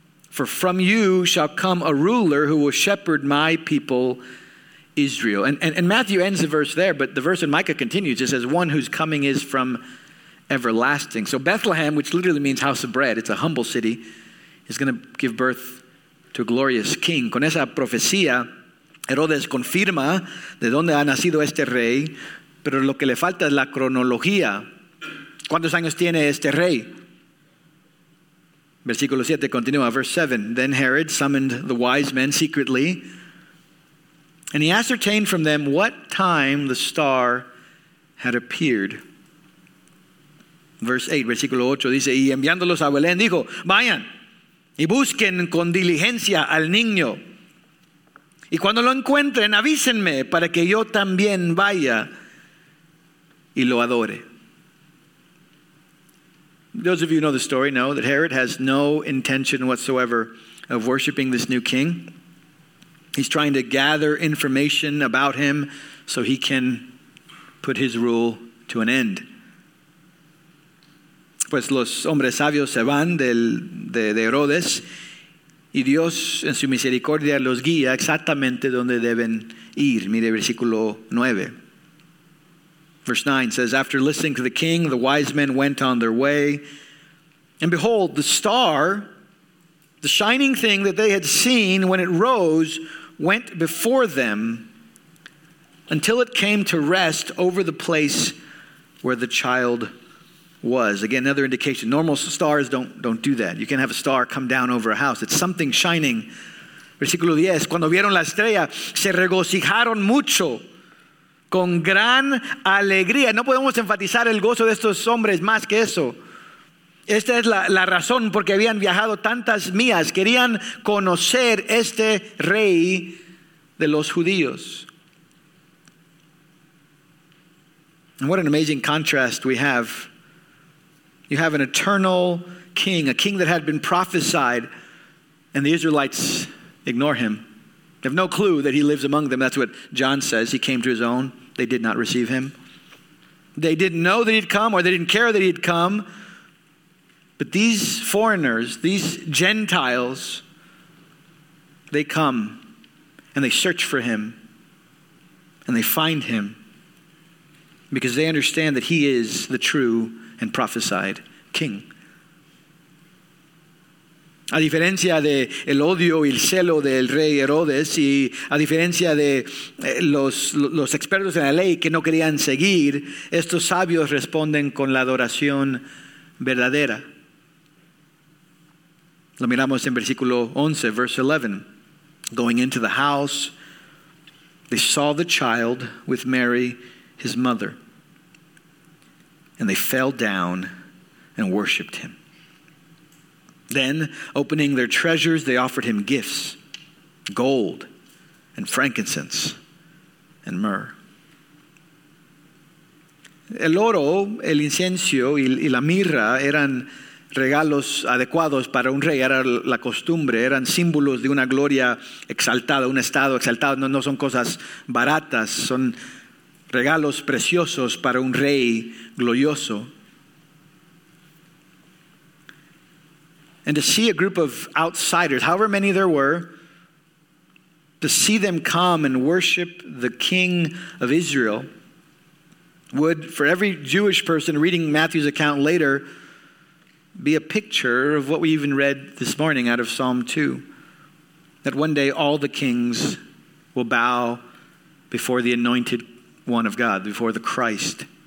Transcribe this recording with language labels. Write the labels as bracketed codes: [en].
[en] For from you shall come a ruler who will shepherd my people Israel. And Matthew ends the verse there, but the verse in Micah continues. It says, one whose coming is from everlasting. So Bethlehem, which literally means house of bread, it's a humble city, is going to give birth to a glorious king. [es] Con esa profecía, Herodes confirma de dónde ha nacido este rey, pero lo que le falta es la cronología. ¿Cuántos años tiene este rey? Versículo 7 continúa, [en] verse 7. Then Herod summoned the wise men secretly, and he ascertained from them what time the star had appeared. Verse 8, [es] versículo 8 dice, y enviándolos a Belén dijo, vayan y busquen con diligencia al niño. Y cuando lo encuentren, avísenme para que yo también vaya y lo adore. [en] Those of you who know the story know that Herod has no intention whatsoever of worshiping this new king. He's trying to gather information about him so he can put his rule to an end. [es] Pues los hombres sabios se van de Herodes y Dios en su misericordia los guía exactamente donde deben ir. Mire versículo 9. [en] Verse 9 says, after listening to the king, the wise men went on their way. And behold, the star, the shining thing that they had seen when it rose, went before them until it came to rest over the place where the child was. Again, another indication. Normal stars don't do that. You can't have a star come down over a house. It's something shining. [es] Versículo 10, cuando vieron la estrella, se regocijaron mucho. con gran alegría. No podemos enfatizar el gozo de estos hombres más que eso. Esta es la razón por que habían viajado tantas millas. Querían conocer este rey de los judíos. [en] And what an amazing contrast we have. You have an eternal king, a king that had been prophesied, and the Israelites ignore him. They have no clue that he lives among them. That's what John says. He came to his own. They did not receive him. They didn't know that he'd come, or they didn't care that he'd come. But these foreigners, these Gentiles, they come and they search for him and they find him because they understand that he is the true and prophesied king. [es] A diferencia de el odio y el celo del rey Herodes y a diferencia de los expertos en la ley que no querían seguir, estos sabios responden con la adoración verdadera. Lo miramos en versículo 11, [en] verse 11. Going into the house, they saw the child with Mary, his mother, and they fell down and worshipped him. Then, opening their treasures, they offered him gifts, gold and frankincense and myrrh. [es] El oro, el incienso y la mirra eran regalos adecuados para un rey, era la costumbre, eran símbolos de una gloria exaltada, un estado exaltado. No son cosas baratas, son regalos preciosos para un rey glorioso. [en] And to see a group of outsiders, however many there were, to see them come and worship the king of Israel would, for every Jewish person reading Matthew's account later, be a picture of what we even read this morning out of Psalm 2, that one day all the kings will bow before the anointed one of God, before the Christ.